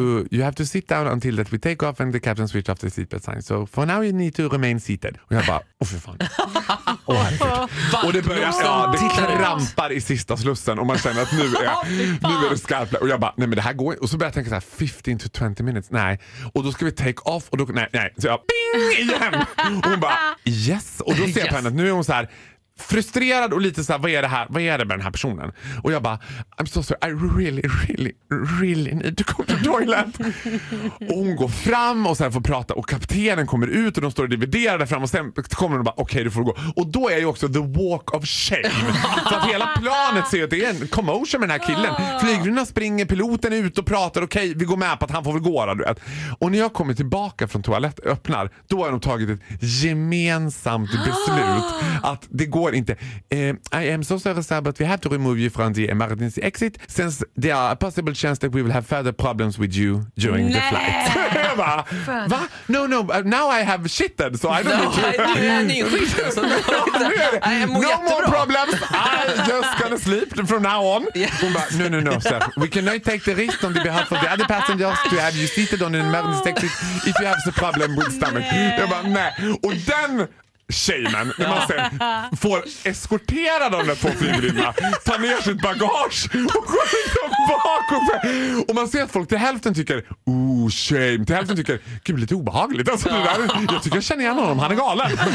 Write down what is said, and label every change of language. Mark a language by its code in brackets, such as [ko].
[en] You have to sit down until that we take off and the captain switched off the seat assign. So for now you need to remain seated. [sv] Och jag bara, åh, för fan. Oh, och det börjar, det krampar i sista slussen och man känner att nu är det skarpt. Och jag bara, nej men det här går inte. Och så börjar jag tänka så här, [en] 15 to 20 minutes, [sv] nej. Och då ska vi take off och då, nej. Så jag, ping, igen. Och hon bara, yes. Och då ser jag på henne att nu är hon så här frustrerad och lite så här, vad är det här, vad är det med den här personen? Och jag bara, [en] I'm so sorry, I really, really, really need to go to the toilet. [sv] Och hon går fram och sen får prata och kaptenen kommer ut och de står och dividerar där fram och sen kommer de och bara, okej, du får gå. Och då är ju också [en] the walk of shame. [sv] Så att hela planet ser att det är en commotion med den här killen. Flygrunna springer, piloten är ute och pratar, okej, vi går med på att han får väl gå då, du vet. Och när jag kommer tillbaka från toalett, öppnar, då har de tagit ett gemensamt beslut att det går förstår inte. [en] I am so sorry, sir, but we have to remove you from the emergency exit since there are a possible chance that we will have further problems with you during the flight. [sv] Va? [en] No, no, now I have shitted, so I don't need to... No more problems, I'm just gonna sleep from now on. No, no, no, sir. We cannot take the risk on the behalf of the other passengers to have you seated on an emergency exit if you have the problem with stomach. [sv] Jag bara, nej. Och den tjejmen, när man sen får eskortera de där två flygrinna, ta ner sitt bagage och gå liksom bakom sig. Och man ser att folk till hälften tycker, ooh, shame. Till hälften tycker, gud, lite obehagligt. Alltså, det där, jag tycker jag känner igen honom, han är galen.